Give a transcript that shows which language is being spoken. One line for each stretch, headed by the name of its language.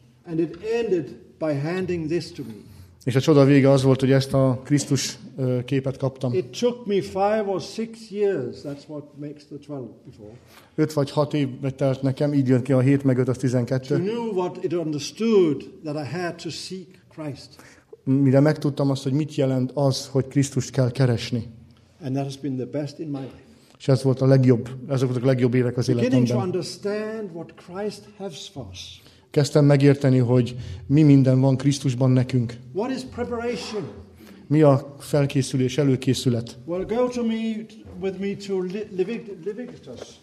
English: And it ended by handing this to me.
Hungarian: És a csoda vége az volt, hogy ezt a Krisztus képet kaptam.
English: It took me 5 or 6 years, that's what makes the 12 before.
Hungarian: 5 vagy 6 év telt nekem, így jön ki a 7, meg 5, az 12.
English: To know what it understood that I had to seek Christ.
Hungarian: Mire megtudtam azt, hogy mit jelent az, hogy Krisztust kell keresni.
English: And that has been the best in my life.
Hungarian: És ez volt a legjobb, ezek voltak a legjobb évek az életemben.
English: Beginning to understand what Christ has for us.
Hungarian: Kezdtem megérteni, hogy mi minden van Krisztusban nekünk.
English: What is preparation?
Hungarian: Mi a felkészülés, előkészület?
English: Well, go to me, with me to Leviticus.